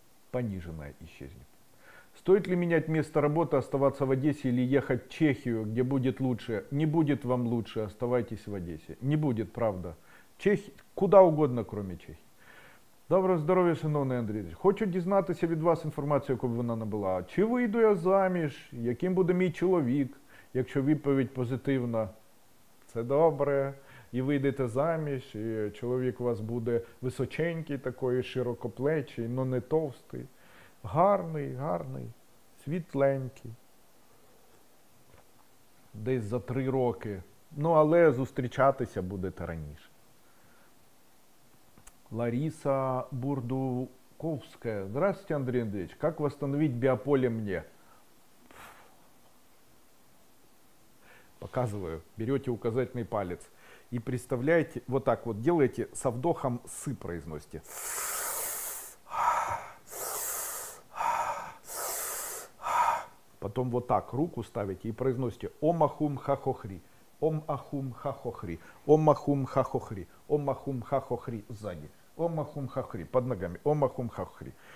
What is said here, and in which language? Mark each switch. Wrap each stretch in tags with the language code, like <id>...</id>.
<ru>Пониженное исчезнет. Стоит ли менять место работы, оставаться в Одессе или ехать в Чехию, где будет лучше? Не будет вам лучше, оставайтесь в Одессе. Не будет, правда. Куда угодно, кроме Чехии.</ru> <uk>Доброго здоров'я, шановний Андрій. Хочу дізнатися від вас інформацію, яку б вона набула. Чи вийду я заміж? Яким буде мій чоловік? Якщо відповідь позитивна, це добре. І вийдете заміж, і чоловік у вас буде височенький такий, широкоплечий, але не товстий. Гарний, гарний, світленький. Десь за 3 роки. Ну, але зустрічатися будете раніше.</uk> <ru>Лариса Бурдуковская. Здравствуйте, Андрій Андрійович.</ru> <uk>Як восстановить біополе мені? Показую.</uk> <ru>Берете указательный палец.</ru> <uk>І представляєте,</uk> <ru>вот так вот делаете, со вдохом «сы» произносите. Потом вот так руку ставите и произносите «Ом Ахум Хахохри», «Ом Ахум Хахохри», «Ом Ахум Хахохри», «Ом Ахум Хахохри» сзади, «Ом Ахум Хахохри» под ногами, «Ом Ахум Хахохри».</ru>